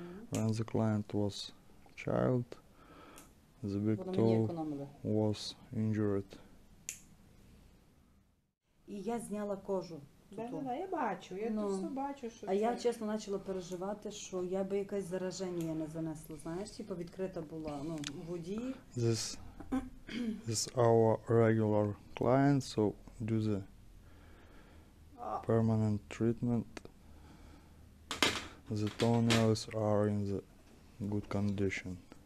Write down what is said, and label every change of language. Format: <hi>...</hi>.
<en>When the client was a child, the big toe was injured.</en> <uk>І я зняла кожу. Да, я бачу, я тут все бачу, що. А я чесно почала переживати, що я би якесь зараження я не занесла, знаєш, типу відкрита була, ну, в воді.</uk> <en>This is our regular client, so do the permanent treatment, the toenails are in the good condition.</en>